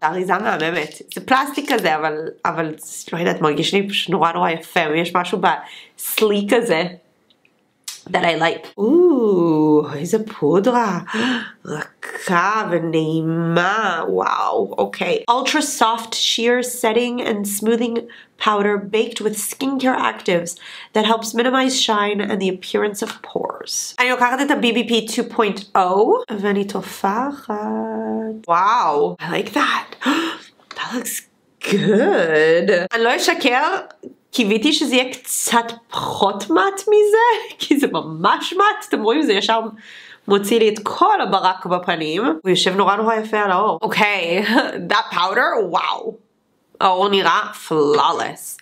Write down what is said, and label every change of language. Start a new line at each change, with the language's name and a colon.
Hebrew: האריזה מהממת, זה פלסטיק כזה, אבל לא יודעת, מרגיש לי פשוט נורא נורא יפה, ויש משהו בסליק הזה
English: that I like.
Hebrew: אוו, איזה פודרה רכה ונעימה, וואו, אוקיי.
English: Ultra soft sheer setting and smoothing powder baked with skincare actives that helps minimize shine and the appearance of pores.
Hebrew: אני לוקחת את ה-BBP 2.0 ואני תופחת. וואו,
English: I like that. That looks good.
Hebrew: אני לא אשקר, קיוויתי שזה יהיה קצת פחות מת מזה, כי זה ממש מת, אתם רואים, זה ישר מוציא לי את כל הברק בפנים, הוא יושב נורא נורא יפה על האור. אוקיי,
English: that powder,
Hebrew: וואו. האור נראה
English: flawless.